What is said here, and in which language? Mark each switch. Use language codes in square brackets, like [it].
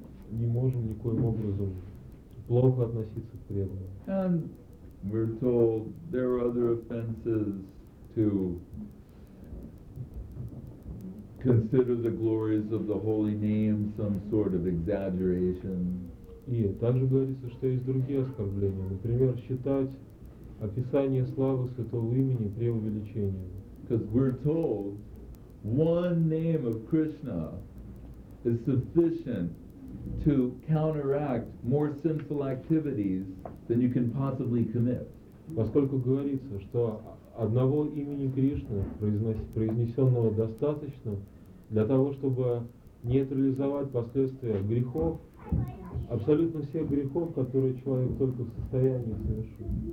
[ru] Не можем никоим образом плохо относиться к преданным. [en] We're told there are other offenses to consider the glories of the holy name some sort of exaggeration. [ru] И также говорится, что есть другие оскорбления, например, считать описание славы святого имени преувеличением. [en] Because we're told one name of Krishna is sufficient to counteract more sinful activities than you can possibly commit. [ru] Поскольку говорится, что одного имени Кришны, произнесенного достаточно для того, чтобы нейтрализовать последствия грехов, абсолютно всех грехов, которые человек только в состоянии совершить.